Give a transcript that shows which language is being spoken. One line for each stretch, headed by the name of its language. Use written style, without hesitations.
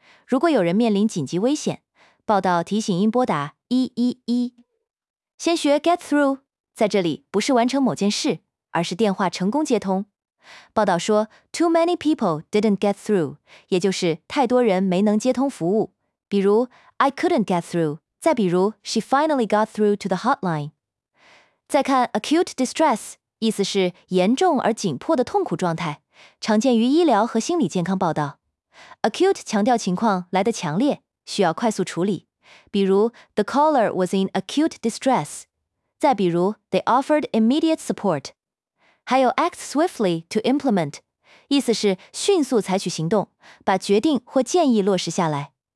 Chinese: 如果有人面临紧急危险，报道提醒应拨打111。先学
English: get through，
Chinese: 在这里不是完成某件事，而是电话成功接通。报道说
English: too many people didn't get through，
Chinese: 也就是太多人没能接通服务。比如
English: I couldn't get through，
Chinese: 再比如
English: she finally got through to the hotline。
Chinese: 再看
English: acute distress，
Chinese: 意思是严重而紧迫的痛苦状态，常见于医疗和心理健康报道。 Acute 强调情况来得强烈，需要快速处理，比如
English: The caller was in acute distress，
Chinese: 再比如
English: They offered immediate support，
Chinese: 还有
English: act swiftly to implement，
Chinese: 意思是迅速采取行动，把决定或建议落实下来。